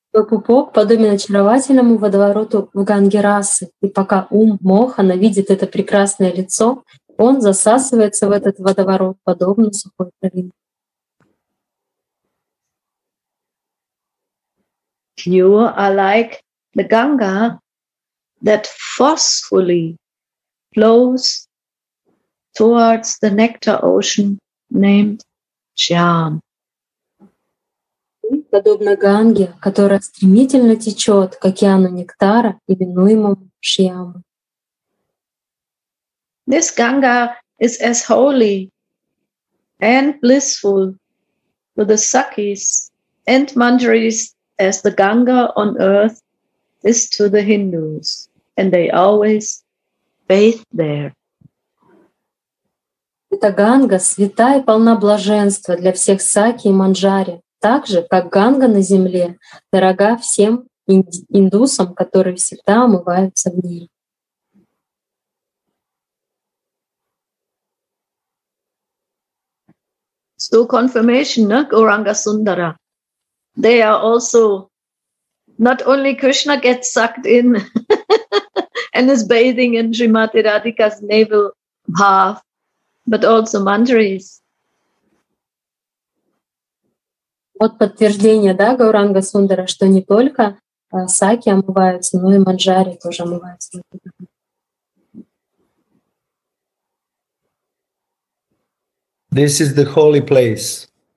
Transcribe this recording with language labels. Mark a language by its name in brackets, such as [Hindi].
[Russian] Пупок подобен очаровательному водовороту в Ганге Расы, и пока ум Мохана видит это прекрасное лицо, он засасывается в этот водоворот, подобно сухой траве. [English] You are like the Ganga that forcefully flows towards the nectar ocean named Shyam. [Russian] Подобно Ганге, которая стремительно течет к океану нектара, именуемому Шьяма. [English] This Ganga is as holy and blissful for the Sakis and Manjaris as the Ganga on earth is to the Hindus, and they always bathe there. [Russian] Эта Ганга святая и полна блаженства для всех Саки и Манджари. Так же, как Ганга на земле, дорога всем индусам, которые всегда омываются в ней. [English] So confirmation, no? Gauranga Sundara. They are also, not only Krishna gets sucked in and is bathing in Srimati Radhika's navel bath, but also Manjaris. [Russian] Вот подтверждение, да, Гауранга Сундара, что не только саки омываются, но и манджари тоже омываются. [English] This is the holy place.